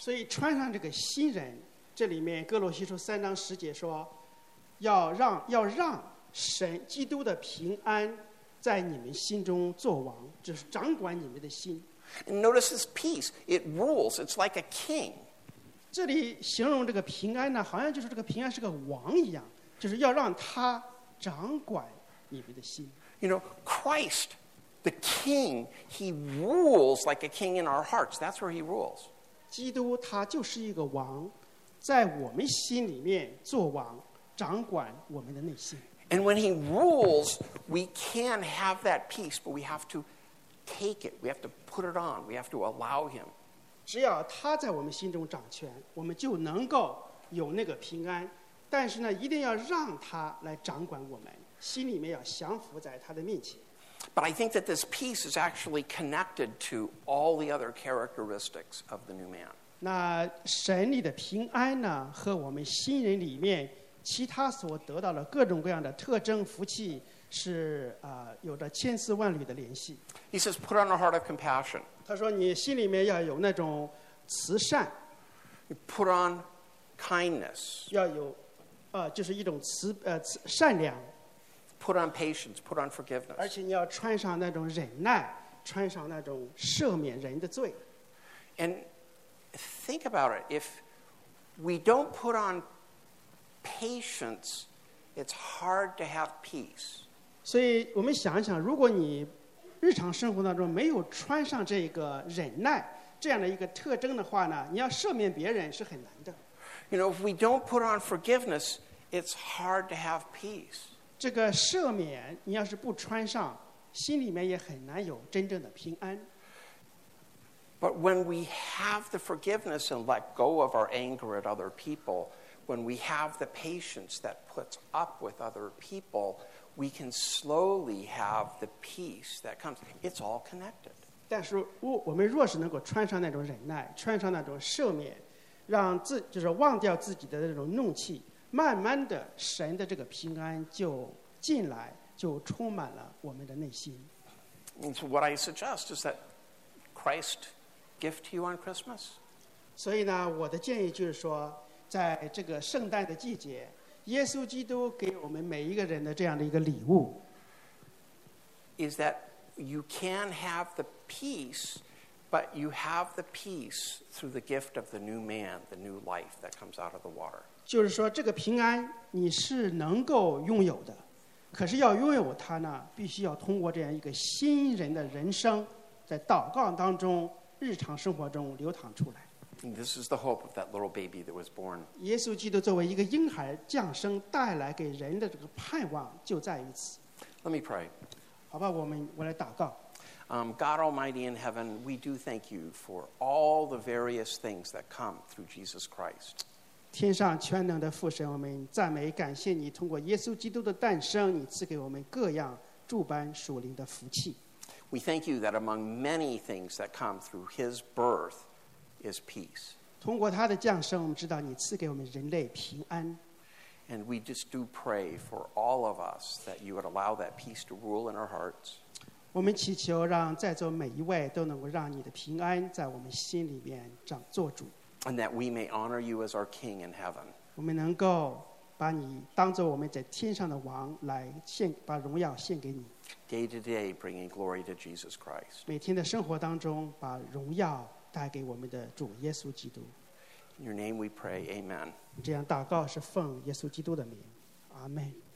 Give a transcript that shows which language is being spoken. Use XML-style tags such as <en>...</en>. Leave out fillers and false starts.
<zh>所以穿上这个新人，这里面哥罗西书三章十节说，要让神基督的平安在你们心中作王，就是掌管你们的心。</zh> <en>And notice this peace; it rules. It's like a king.</en> <zh>这里形容这个平安呢，好像就是这个平安是个王一样，就是要让他掌管你们的心。</zh> <en>You know, Christ. The king, he rules like a king in our hearts. That's where he rules.</en> <zh>基督他就是一个王，在我们心里面做王，掌管我们的内心。</zh> <en>And when he rules, we can have that peace, but we have to take it. We have to put it on. We have to allow him.</en> <zh>只要他在我们心中掌权，我们就能够有那个平安。但是呢，一定要让他来掌管我们，心里面要降服在他的面前。</zh> <en>But I think that this peace is actually connected to all the other characteristics of the new man.</en> <zh>那神里的平安呢，和我们新人里面其他所得到的各种各样的特征福气是有着千丝万缕的联系。</zh> <en>He says, "Put on a heart of compassion."</en> <zh>他说你心里面要有那种慈善。</zh> <en>You put on kindness.</en> <zh>要有就是一种善良。</zh> <en>Put on patience, put on forgiveness.</en> <zh>而且你要穿上那种忍耐，穿上那种赦免人的罪。</zh> <en>And think about it, if we don't put on patience, it's hard to have peace.</en> <zh>所以我们想一想，如果你日常生活当中没有穿上这个忍耐这样的一个特征的话呢，你要赦免别人是很难的。</zh> <en>You know, if we don't put on forgiveness, it's hard to have peace.</en> <zh>这个赦免你要是不穿上，心里面也很难有真正的平安。</zh> <en>But when we have the forgiveness and let go of our anger at other people, when we have the patience that puts up with other people, we can slowly have the peace that comes. It's all connected.</en> <zh>但是我们若是能够穿上那种忍耐，穿上那种赦免，让自就是忘掉自己的那种怒气，慢慢的神的这个平安就进来，就充满了我们的内心。</zh> <en>And so what I suggest is that Christ gift to you on Christmas.</en> <zh>所以呢，我的建议就是说，在这个圣诞的季节，耶稣基督给我们每一个人的这样的一个礼物</zh> <en>is that you can have the peace, but you have the peace through the gift of the new man, the new life that comes out of the water.</en> <zh>就是说这个平安你是能够拥有的，可是要拥有它呢，必须要通过这样一个新人的人生，在祷告当中，日常生活中流淌出来。</zh> <en>And this is the hope of that little baby that was born.</en> <zh>耶稣基督作为一个婴孩降生，带来给人的这个盼望就在于此。</zh> <en>Let me pray.</en> <zh>好吧，我来祷告。</zh> <en>God Almighty in heaven, we do thank you for all the various things that come through Jesus Christ.</en> <zh>天上全能的父神，我们赞美感谢你，通过耶稣基督的诞生，你赐给我们各样诸般属灵的福气。</zh> <en>We thank you that among many things that come through his birth is peace.</en> <zh>通过他的降生，我们知道你赐给我们人类平安。</zh> <en>And we just do pray for all of us that you would allow that peace to rule in our hearts.</en> <zh>我们祈求让在座每一位都能够让你的平安在我们心里面掌做主。</zh> <en>And that we may honor you as our king in heaven.</en> <zh>我们能够把你当作我们在天上的王来献，把荣耀献给你。</zh> <en>Day to day, bringing glory to Jesus Christ.</en> <zh>每天的生活当中，把荣耀带给我们的主耶稣基督。</zh> <en>In your name we pray, Amen.</en> <zh>这样祷告是奉耶稣基督的名，阿门。</zh>